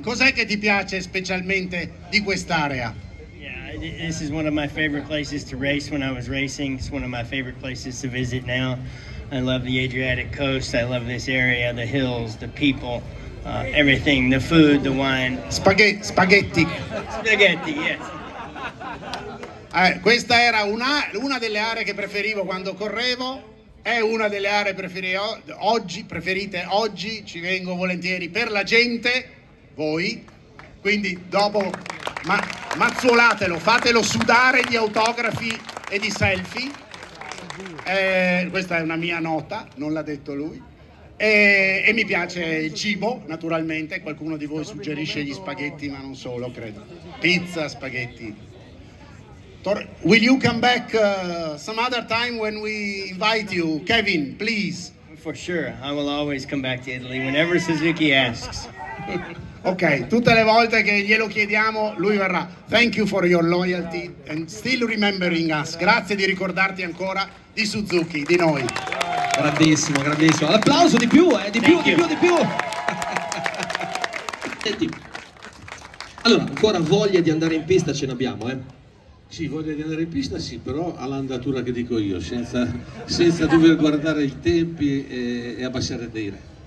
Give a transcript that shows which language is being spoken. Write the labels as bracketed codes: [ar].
[it] Cos'è che ti piace specialmente di quest'area? [en] This is one of my favorite places to race when I was racing. It's one of my favorite places to visit now. I love the Adriatic coast. I love this area, the hills, the people, everything, the food, the wine. Spaghetti. Spaghetti, yes. [it] Questa era una delle aree che preferivo quando correvo. È una delle aree preferite oggi. Ci vengo volentieri per la gente, voi. Quindi dopo... Mazzuolatelo, fatelo sudare di autografi e di selfie. Questa è una mia nota, non l'ha detto lui. E mi piace il cibo, naturalmente. Qualcuno di voi suggerisce gli spaghetti, ma non solo, credo. Pizza, spaghetti. [en] Will you come back some other time when we invite you? Kevin, please. For sure, I will always come back to Italy whenever Suzuki asks. [it] Ok, tutte le volte che glielo chiediamo lui verrà. [en] Thank you for your loyalty and still remembering us. [it] Grazie di ricordarti ancora di Suzuki, di noi. Grandissimo, grandissimo. L'applauso di più, di più, di più, di più. Senti. Allora, ancora voglia di andare in pista ce n'abbiamo, eh? Sì, voglia di andare in pista, sì, però all'andatura che dico io, senza dover guardare i tempi e abbassare dei re.